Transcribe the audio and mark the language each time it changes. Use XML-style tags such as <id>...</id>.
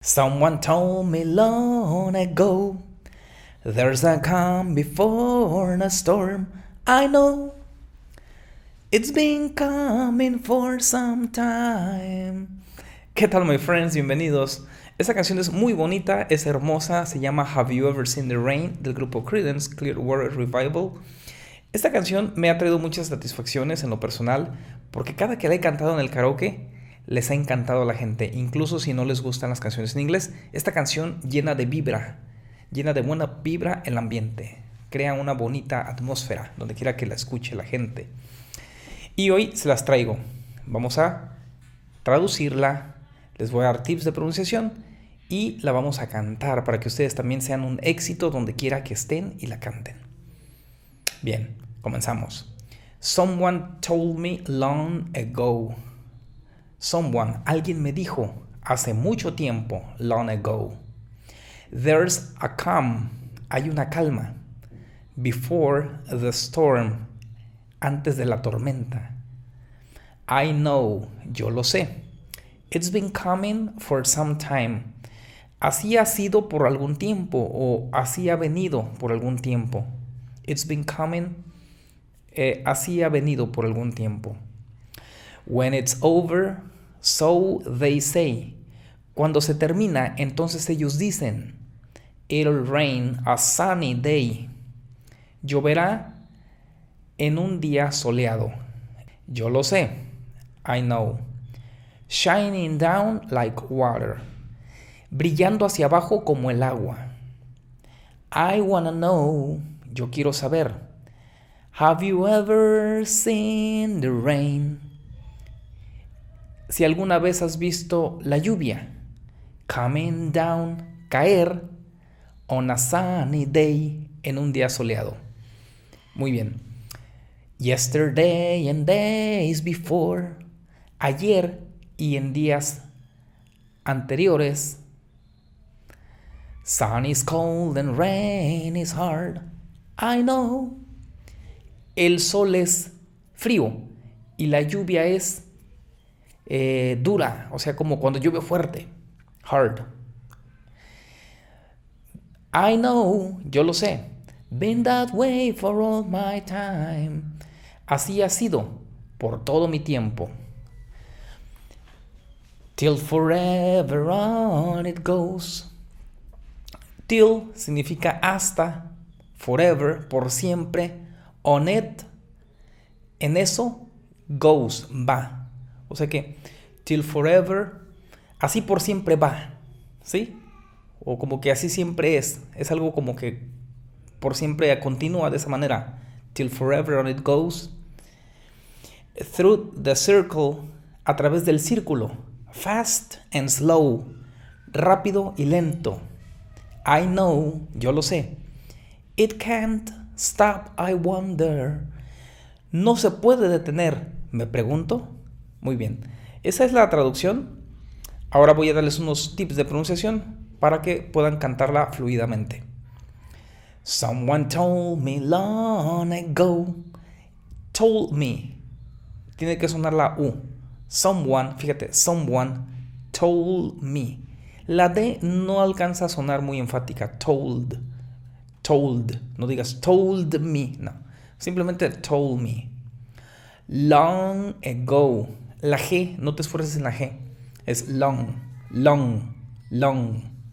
<en>Someone told me long ago, there's a calm before a storm. I know it's been coming for some time.</en> <es>¿Qué tal,</es> <en>my friends?</en> <es>Bienvenidos. Esta canción es muy bonita, es hermosa. Se llama Have You Ever Seen the Rain, del grupo Creedence Clearwater Revival. Esta canción me ha traído muchas satisfacciones en lo personal, porque cada que la he cantado en el karaoke, les ha encantado a la gente. Incluso si no les gustan las canciones en inglés, esta canción llena de vibra, llena de buena vibra el ambiente. Crea una bonita atmósfera donde quiera que la escuche la gente. Y hoy se las traigo. Vamos a traducirla, les voy a dar tips de pronunciación y la vamos a cantar para que ustedes también sean un éxito donde quiera que estén y la canten. Bien, comenzamos.</es> <en>Someone told me long ago. Someone,</en> <es>alguien me dijo hace mucho tiempo,</es> <en>long ago. There's a calm,</en> <es>hay una calma.</es> <en>Before the storm,</en> <es>antes de la tormenta.</es> <en>I know,</en> <es>yo lo sé.</es> <en>It's been coming for some time.</en> <es>Así ha sido por algún tiempo o así ha venido por algún tiempo.</es> <en>It's been coming,</en> <es>así ha venido por algún tiempo.</es> <en>When it's over, so they say.</en> <es>Cuando se termina, entonces ellos dicen.</es> <en>It'll rain a sunny day.</en> <es>Lloverá en un día soleado. Yo lo sé.</es> <en>I know. Shining down like water.</en> <es>Brillando hacia abajo como el agua.</es> <en>I wanna know.</en> <es>Yo quiero saber.</es> <en>Have you ever seen the rain?</en> <es>Si alguna vez has visto la lluvia.</es> <en>Coming down,</en> <es>caer.</es> <en>On a sunny day,</en> <es>en un día soleado. Muy bien.</es> <en>Yesterday and days before.</en> <es>Ayer y en días anteriores.</es> <en>Sun is cold and rain is hard. I know.</en> <es>El sol es frío y la lluvia es dura, o sea, como cuando llueve fuerte.</es> <en>Hard. I know,</en> <es>yo lo sé.</es> <en>Been that way for all my time.</en> <es>Así ha sido por todo mi tiempo.</es> <en>Till forever on it goes.</en> <es>Till significa hasta, forever, por siempre,</es> <en>on it,</en> <es>en eso, goes, va. O sea que,</es> <en>till forever,</en> <es>así por siempre va, ¿sí? O como que así siempre es algo como que por siempre continúa de esa manera.</es> <en>Till forever on it goes. Through the circle,</en> <es>a través del círculo,</es> <en>fast and slow,</en> <es>rápido y lento.</es> <en>I know,</en> <es>yo lo sé.</es> <en>It can't stop, I wonder.</en> <es>No se puede detener, me pregunto. Muy bien, esa es la traducción. Ahora voy a darles unos tips de pronunciación para que puedan cantarla fluidamente.</es> <en>Someone told me long ago. Told me.</en> <es>Tiene que sonar la U. Someone, fíjate,</es> <en>someone told me.</en> <es>La D no alcanza a sonar muy enfática.</es> <en>Told. Told.</en> <es>No digas</es> <en>told me. No.</en> <es>Simplemente</es> <en>told me. Long ago.</en> <es>La G, no te esfuerces en la G. Es</es> <en>long, long, long.</en>